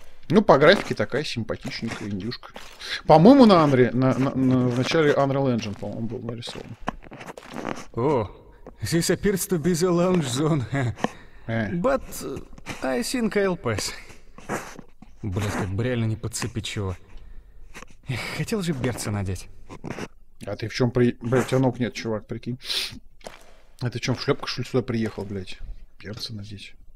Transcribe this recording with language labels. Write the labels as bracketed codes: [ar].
[ru] Ну, по графике такая симпатичненькая индюшка. По-моему, на Unreal, в начале Unreal Engine, по-моему, был нарисован. [en] О, this appears to be the launch zone. But I think I'll pass. [ru] Блять, как бы реально не подцепить чего. Хотел же берца надеть. А ты в чем блять, у тебя ног нет, чувак, прикинь. А ты в чем в шлепку, что ли, сюда приехал, блять? Берца надеть.